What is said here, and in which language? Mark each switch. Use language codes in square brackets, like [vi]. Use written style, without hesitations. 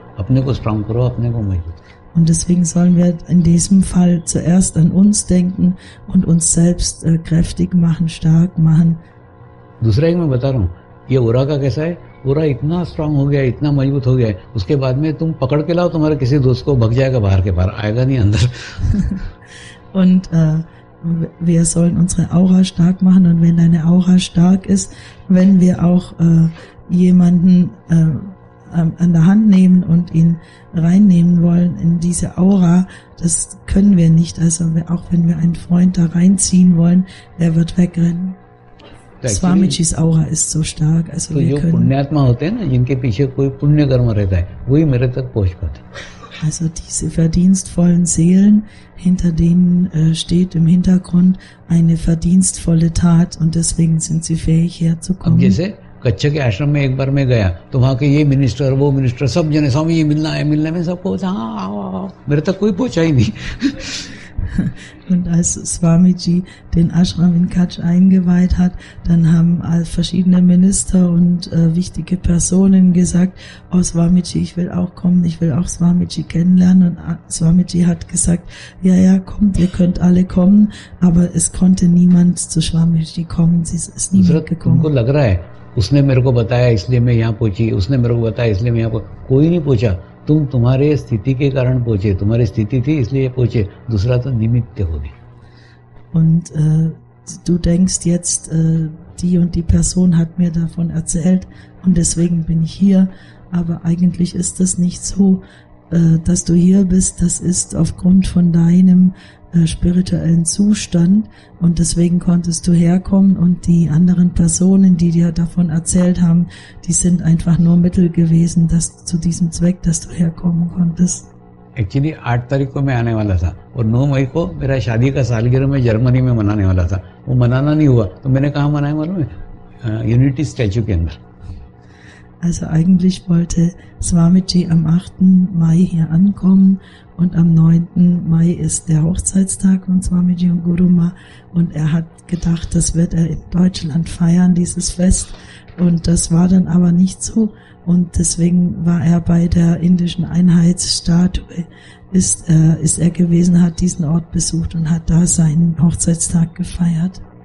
[de] Und deswegen sollen wir in diesem Fall zuerst an uns denken und uns selbst kräftig machen, stark machen. [hi] दूसरा एक मैं बता रहा हूँ, ये उरा का कैसा है, उरा इतना स्ट्रांग हो गया, इतना मजबूत हो गया है, उसके बाद में तुम पकड़ के लाओ, तुम्हारे किसी दोस्त को भग जाएगा बाहर के बाहर, आएगा नहीं अंदर. [de] Und wir sollen unsere Aura stark machen und wenn deine Aura stark ist, wenn wir auch jemanden an der Hand nehmen und ihn reinnehmen wollen in diese Aura, das können wir nicht, also auch wenn wir einen Freund da reinziehen wollen, der wird wegrennen. Swamiji's Aura ist so stark, also wir können. [hi] पुण्यात्मा होते हैं ना, जिनके पीछे कोई पुण्य कर्म रहता है, वही मेरे तक पहुंच पाते. [de] Also diese verdienstvollen Seelen, hinter denen steht im Hintergrund eine verdienstvolle Tat und deswegen sind sie fähig herzukommen. [hi] अब जैसे कच्छ के आश्रम में एक बार मैं गया, तो वहां के ये मिनिस्टर वो मिनिस्टर सब जने स्वामी ये मिलना है मिलना है, सबको हाँ मेरे तक कोई पहुंचा ही नहीं. [de] Und als Swamiji den Ashram in Kutch eingeweiht hat, dann haben verschiedene Minister und wichtige Personen gesagt, oh Swamiji, ich will auch kommen, ich will auch Swamiji kennenlernen. Und Swamiji hat gesagt, ja, ja, kommt, ihr könnt alle kommen, aber es konnte niemand zu Swamiji kommen, sie ist niemand gekommen. [hi] Tumko lag raha hai, usne mere ko bataya, isliye main yahan pahunchi, usne mere ko bataya, isliye main yahan pahunchi, koi nahi pahuncha. तुम्हारे स्थिति के कारण पहुंचे, तुम्हारी स्थिति थी इसलिए पहुंचे, दूसरा तो निमित्त हो गए. [de] Und du denkst jetzt, die und die Person hat mir davon erzählt und deswegen bin ich hier, aber eigentlich ist das nicht so, dass du hier bist, das ist aufgrund von deinem spirituellen Zustand und deswegen konntest du herkommen und die anderen Personen, die dir davon erzählt haben, die sind einfach nur Mittel gewesen, dass zu diesem Zweck, dass du herkommen konntest. [hi] Actually, 8 तारीख को मैं आने वाला था और 9 मई को मेरा शादी का सालगिरह मैं जर्मनी में मनाने वाला था, वो मनाना नहीं हुआ, तो मैंने कहां मनाया मालूम है, यूनिटी स्टैचू के अंदर. [de] Also eigentlich wollte Swamiji am 8. Mai hier ankommen und am 9. Mai ist der Hochzeitstag von Swamiji und Guruma und er hat gedacht, das wird er in Deutschland feiern, dieses Fest. Und das war dann aber nicht so und deswegen war er bei der indischen Einheitsstatue, ist er gewesen, hat diesen Ort besucht und hat da seinen Hochzeitstag gefeiert.